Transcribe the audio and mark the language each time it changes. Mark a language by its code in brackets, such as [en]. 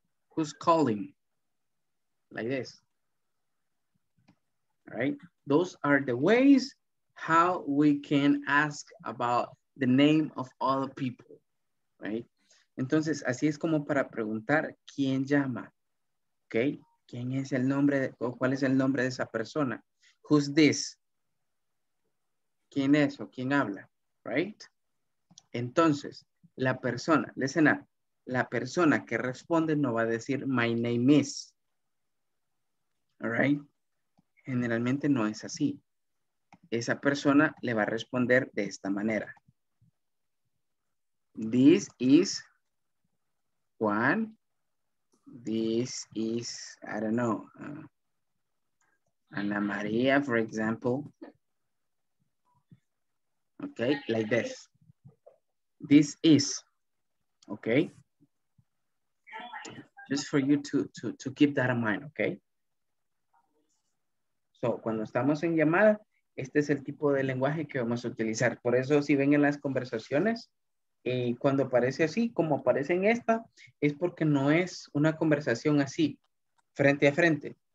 [en] Who's calling? Like this. Right? Those are the ways how we can ask about the name of all the people. Right? [es] Entonces, así es como para preguntar quién llama. Okay? ¿Quién es el nombre de, o cuál es el nombre de esa persona? [en] Who's this? [es] ¿Quién es o quién habla? Right? Entonces, la persona, [en] listen up, [es] la persona que responde no va a decir [en] my name is. All right? [es] Generalmente no es así. Esa persona le va a responder de esta manera. [en] This is Juan. This is, I don't know, Ana María, for example. Okay, like this. This is, okay? Just for you to keep that in mind, okay? [es] So, cuando estamos en llamada, este es el tipo de lenguaje que vamos a utilizar. Por eso, si ven en las conversaciones, cuando aparece así, como aparece en esta, es porque no es una conversación así, frente a frente.